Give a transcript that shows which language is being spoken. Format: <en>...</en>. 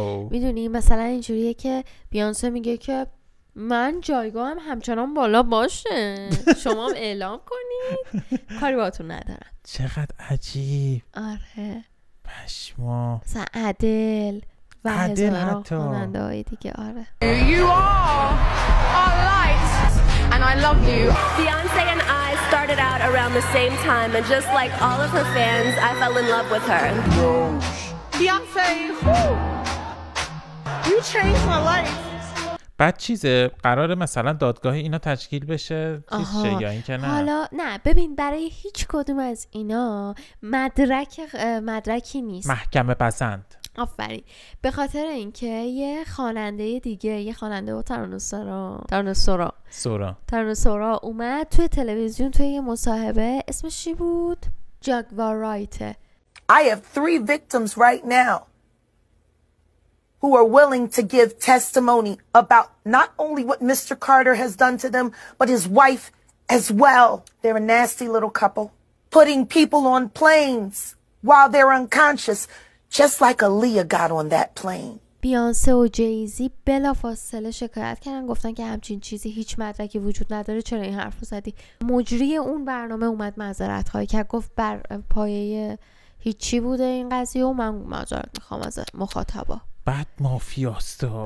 <fa>میدونی مثلا اینجوریه که بیانسه میگه که من جایگاه هم همچنان بالا باشه، شما هم اعلام کنید، کاری باهاتون ندارم. چقدر عجیب. آره پشما مثلا عدل و عدل هزاره خواننده هایی دیگه. آره</fa> <en>You are our light and I love you. Beyonce and I started out around the same time and just like all of her fans I fell in love with her. Beyonce, you changed my life.</en> <fa>بعد چیزه، قراره مثلا دادگاه اینا تشکیل بشه چیز شه یا اینکه نه؟ حالا نه ببین، برای هیچ کدوم از اینا مدرکی نیست. محکمه پسند. آفرین. به خاطر اینکه یه خواننده دیگه، یه خواننده و ترانه سورا اومد توی تلویزیون توی یه مصاحبه، اسمش چی بود؟ جاگوار رایته.</fa> <en>I have three victims right now who are willing to give testimony about not only what Mr. Carter has done to them, but his wife as well. They're a nasty little couple. Putting people on planes while they're unconscious, just like Aaliyah got on that plane.</en> <fa>بیانسه و جیزی بلا فاصله شکایت کردن، گفتن که همچین چیزی هیچ مدرکی وجود نداره، چرا این حرف رو زدی؟ مجری اون برنامه اومد معذرت خواهی کرد، گفت بر پایه هیچی بوده این قضیه و من معذرت میخوام از مخاطبا. بعد مافیاستا</fa>